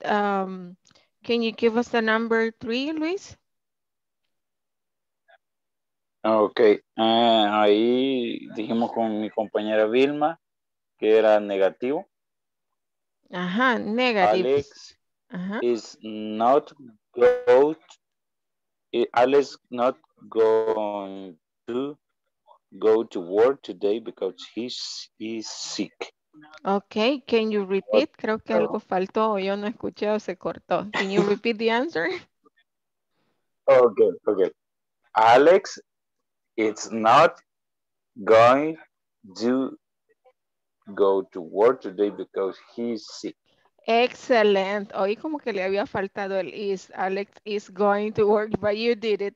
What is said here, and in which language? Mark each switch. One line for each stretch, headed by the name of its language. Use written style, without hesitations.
English: Can you give us the number three, Luis?
Spanish: Ok, ahí dijimos con mi compañera Vilma que era negativo.
English: Ajá, negative. Alex is not going. Alex not going to go to work today because he's sick. Okay, can you repeat?
Spanish: Creo que algo faltó o yo no escuché o se cortó.
English: Can you repeat the answer? Okay. Alex is not going to go to work today because he's sick. Excellent.
Spanish: Oí como que le había faltado el is.
English: Alex is going to work, but you did it.